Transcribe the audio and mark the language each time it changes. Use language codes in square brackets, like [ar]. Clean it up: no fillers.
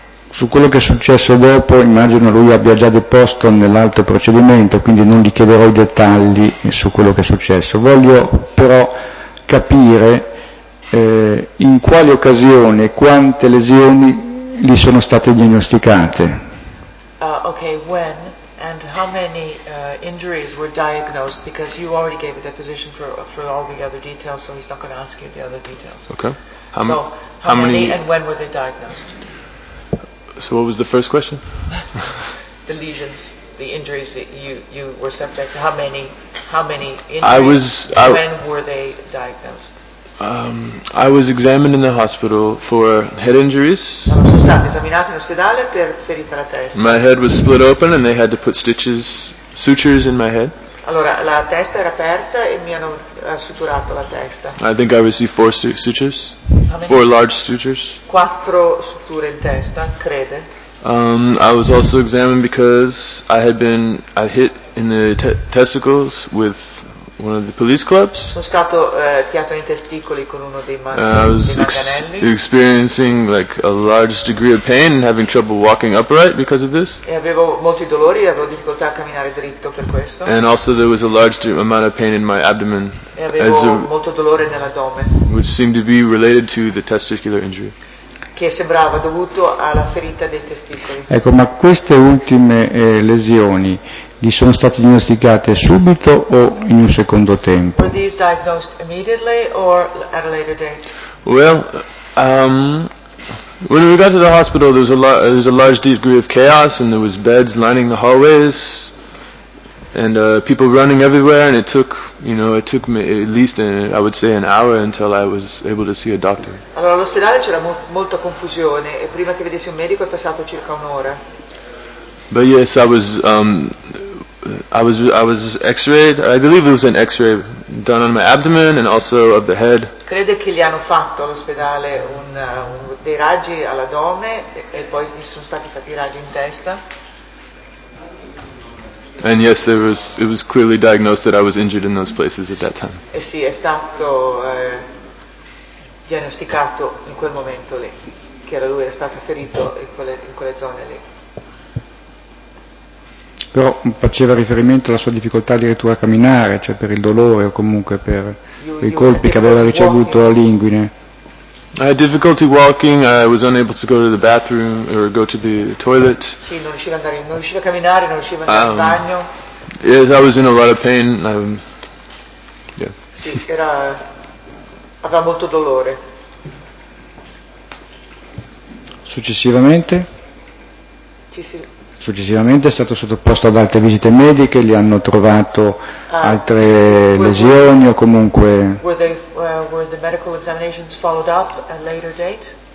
[it] Su quello che è successo dopo, immagino lui abbia già deposto nell'altro procedimento, quindi non gli chiederò i dettagli su quello che è successo. Voglio però capire in quali occasioni e quante lesioni gli sono state diagnosticate. [en] Okay, when? And how many injuries were diagnosed? Because you already gave a deposition for all the other details, so he's not going to ask you the other details. Okay. How many and when were they diagnosed? So what was the first question? The lesions, the injuries that you were subject to. How many injuries? When were they diagnosed? I was examined in the hospital for head injuries. [it] Sono stato esaminato in ospedale per ferita alla testa. [en] My head was split open and they had to put stitches, sutures in my head. [it] Allora, la testa era aperta e mi hanno suturato la testa. [en] I think I received four sutures. Four large sutures. [it] Quattro suture in testa, crede. [en] I was also examined because I hit in the testicles with one of the police clubs. [it] Sono stato piatto nei testicoli con uno dei manganelli. [en] I was experiencing like a large degree of pain and having trouble walking upright because of this. [it] E avevo molti dolori e avevo difficoltà a camminare dritto per questo. [en] And also there was a large amount of pain in my abdomen. [it] E avevo molto dolore nell'addome. [en] Which seemed to be related to the testicular injury. [it] Che sembrava dovuto alla ferita dei testicoli. Ecco, ma queste ultime lesioni gli sono state diagnosticate subito o in un secondo tempo? [en] Were these diagnosed immediately or at a later date? Well, when we got to the hospital, there was a large degree of chaos and there was beds lining the hallways and people running everywhere, and it took me at least an hour until I was able to see a doctor. [it] Allora, all'ospedale c'era molta confusione e prima che vedessi un medico è passato circa un'ora. [en] But yes, I was x-rayed. I believe it was an x-ray done on my abdomen and also of the head. [it] Crede che gli hanno fatto all'ospedale dei raggi all'addome e poi gli sono stati fatti i raggi in testa. [en] And yes, it was clearly diagnosed that I was injured in those places at that time. [it] E sì, è stato diagnosticato in quel momento lì, che era lui, era stato ferito in quelle zone lì. Però faceva riferimento alla sua difficoltà addirittura a camminare, cioè per il dolore o comunque per i colpi che aveva ricevuto alla linguine. [en] I had difficulty walking, I was unable to go to the bathroom or go to the toilet. [it] Sì, non riusciva a camminare, non riusciva a andare in bagno. [en] Yes, I was in a lot of pain. [it] Sì, aveva molto dolore. Successivamente è stato sottoposto ad altre visite mediche, gli hanno trovato altre lesioni o comunque... [en] Were the medical examinations followed up at a later date?